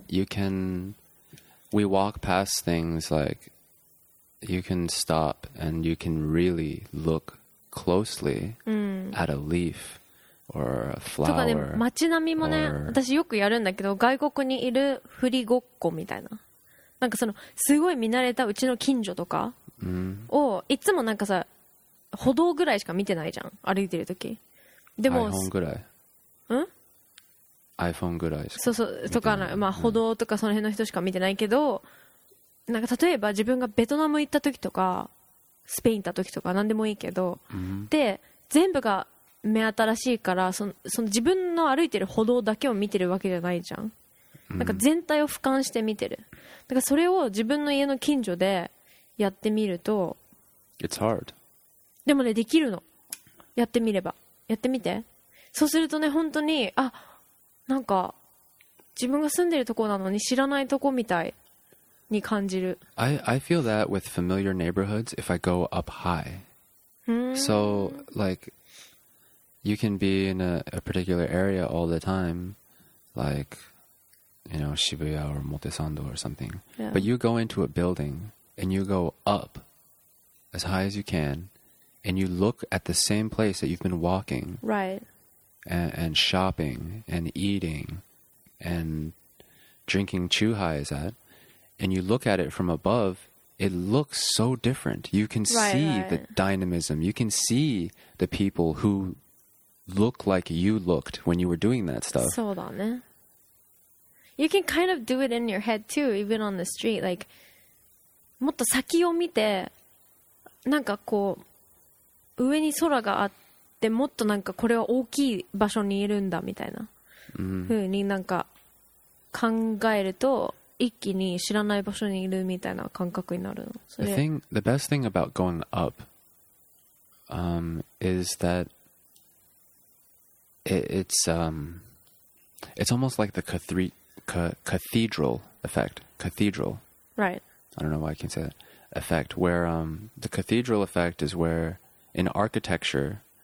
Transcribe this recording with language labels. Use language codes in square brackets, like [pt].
[en] You can, we walk past things like you can stop and you can really look closely at a leaf or a flower. [ja] とかね、街並みもね、私よくやるんだけど、外国にいるふりごっこみたいな。なんかその、すごい見慣れたうちの近所とかを、いつもなんかさ、歩道ぐらいしか見てないじゃん、歩いてるとき。でも、iPhone ぐらい。ん ?iPhone ぐらいしか。そうそう、とか、まあ歩道とかその辺の人しか見てないけど、なんか例えば自分がベトナム行ったときとか、スペイン行ったときとか、なんでもいいけど、で、全部が、目新しいから、その自分の歩いてる歩道だけを見てるわけじゃないじゃん。なんか全体を俯瞰して見てる。だからそれを自分の家の近所でやってみると。 [en] It's hard. [ja] でもね、できるの。やってみれば。やってみて。そうするとね、本当に、あ、なんか、自分が住んでるとこなのに知らないとこみたいに感じる。 [en] I feel that with familiar neighborhoods if I go up high. So, like,you can be in a particular area all the time, like, you know, Shibuya or Motesando or something. Yeah. But you go into a building and you go up as high as you can and you look at the same place that you've been walking. Right. And shopping and eating and drinking chuhais at. And you look at it from above. It looks so different. You can see the dynamism. You can see the people who... look like you looked when you were doing that stuff. [ja] そうだね。 [en] You can kind of do it in your head too, even on the street. Like, [ja] もっと先を見て、なんかこう、上に空があって、もっとなんかこれは大きい場所にいるんだみたいな、風になんか考えると、一気に知らない場所にいるみたいな感覚になるの。 [en] The best thing about going up, is that,It's almost like the cathedral effect. Cathedral. Right. I don't know why I can say that. Effect. Where the cathedral effect is where in architecture,